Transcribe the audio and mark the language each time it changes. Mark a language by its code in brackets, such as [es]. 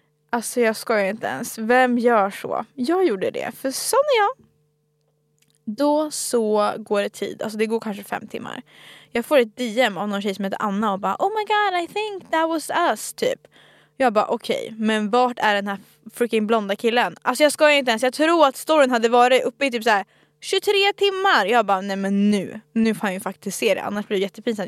[sv] Alltså jag skojar inte ens. Vem gör så? Jag gjorde det. För sån är jag. Då så går det tid. Alltså det går kanske 5 timmar. Jag får ett DM av någon tjej som heter Anna. Och bara, [en] oh my god, I think that was us. [sv] Typ. Jag bara, okej, men vart är den här freaking blonda killen? Alltså jag skojar inte ens. Jag tror att storyn hade varit uppe i typ så här 23 timmar. Jag bara, nej men nu. Nu får jag ju faktiskt se det. Annars blir det jättepinsamt.